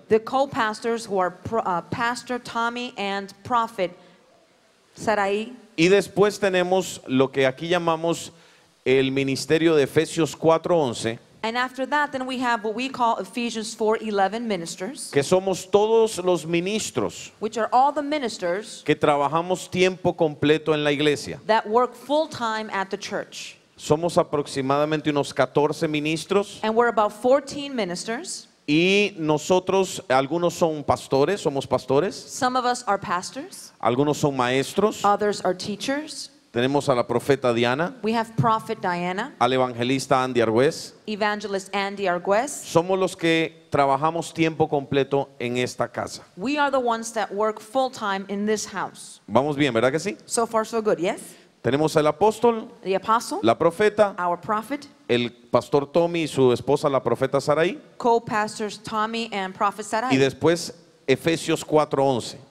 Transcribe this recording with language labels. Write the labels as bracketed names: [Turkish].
[English] The co-pastors who are Pastor Tommy and Prophet Sarai. [Spanish] Y después tenemos lo que aquí llamamos el ministerio de Efesios 4:11. [English] And after that, then we have what we call Ephesians 4:11 ministers. [Spanish] Que somos todos los ministros. [English] Which are all the ministers. [Spanish] Que trabajamos tiempo completo en la iglesia. [English] That work full time at the church. [Spanish] Somos aproximadamente unos 14 ministros. [English] And we're about 14 ministers. [Spanish] Y nosotros, algunos son pastores, somos pastores. [English] Some of us are pastors. [Spanish] Algunos son maestros. [English] Others are teachers. [Spanish] Tenemos a la profeta Diana. [English] We have Prophet Diana. [Spanish] Al evangelista Andy Argüez. [English] Evangelist Andy Argüez. [Spanish] Somos los que trabajamos tiempo completo en esta casa. [English] We are the ones that work full time in this house. [Spanish] Vamos bien, ¿verdad que sí? [English] So far so good, yes. [Spanish] Tenemos al apóstol, [English] the apostle, [Spanish] la profeta, [English] our prophet, [Spanish] el pastor Tommy y su esposa la profeta Sarai. [English] Co-pastors Tommy and Prophet Sarai. [Spanish] Y después Efesios 4:11.